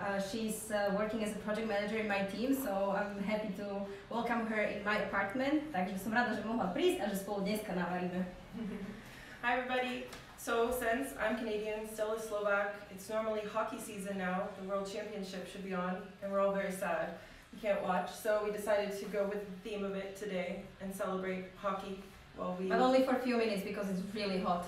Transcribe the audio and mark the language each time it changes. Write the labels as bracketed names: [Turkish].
[English] She's working as a project manager in my team, so I'm happy to welcome her in my apartment. [Slovak] Takže som rada, že mohla prísť a že spolu dneska navaríme. [English] Hi everybody. So since I'm Canadian, still a Slovak, it's normally hockey season now. The World Championship should be on, and we're all very sad. We can't watch, so we decided to go with the theme of it today and celebrate hockey while we. But only for a few minutes because it's really hot.